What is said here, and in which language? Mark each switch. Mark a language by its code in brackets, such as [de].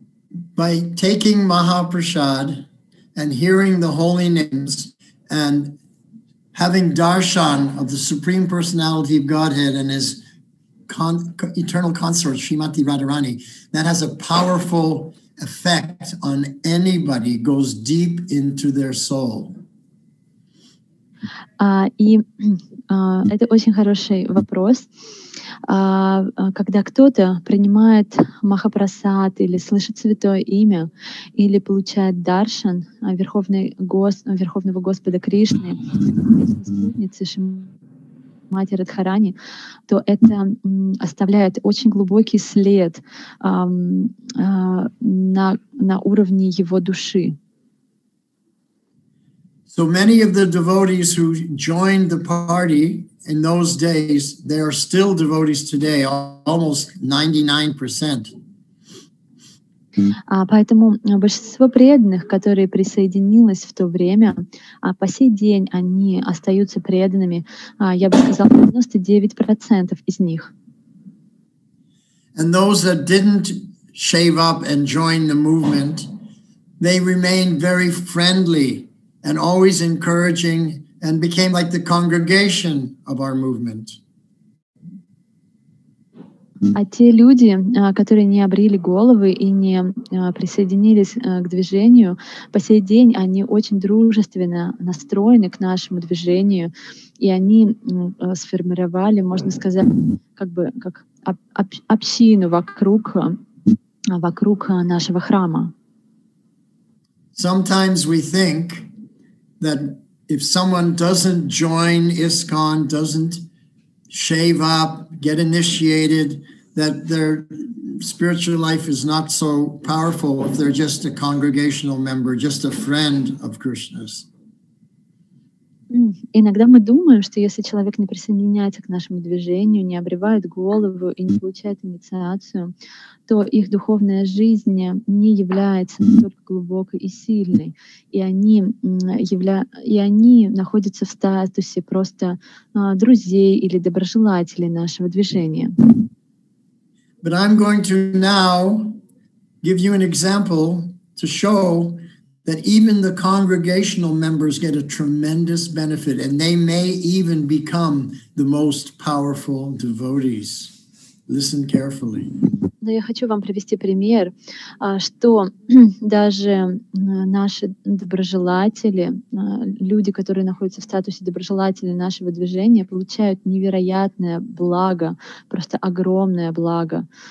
[en] By taking Mahaprasad and hearing the holy names and having darshan of the Supreme Personality of Godhead and his eternal consort, Srimati Radharani, that has a powerful effect on anybody goes deep into their soul. [ru] Это очень хороший вопрос. Когда кто-то принимает Махапрасад или слышит святое имя, или получает даршан Верховного Господа Кришны, спутницы Матери Радхарани, то это оставляет очень глубокий след на уровне его души. [en] So many of the devotees who joined the party in those days, they are still devotees today, almost 99%. [ru] Поэтому большинство преданных, которые присоединились в то время, по сей день они остаются преданными, я бы сказала, 99% из них. [en] And those that didn't shave up and join the movement, they remained very friendly and always encouraging and became like the congregation of our movement. [ru] А те люди, которые не обрили головы и не присоединились к движению, по сей день они очень дружественно настроены к нашему движению, и они сформировали, можно сказать, как бы как общину вокруг нашего храма. [en] Sometimes we think that if someone doesn't join ISKCON, doesn't shave up, get initiated, that their spiritual life is not so powerful if they're just a congregational member, just a friend of Krishna's. [ru] Иногда мы думаем, что если человек не присоединяется к нашему движению, не обривает голову и не получает инициацию, то их духовная жизнь не является настолько глубокой и сильной, и они находятся в статусе просто друзей или доброжелателей нашего движения. [en] But I'm going to now give you an example to show that even the congregational members get a tremendous benefit, and they may even become the most powerful devotees. Listen carefully. [ru] Но я хочу вам привести пример, что даже наши доброжелатели, люди, которые находятся в статусе доброжелателей нашего движения, получают невероятное благо, просто огромное благо.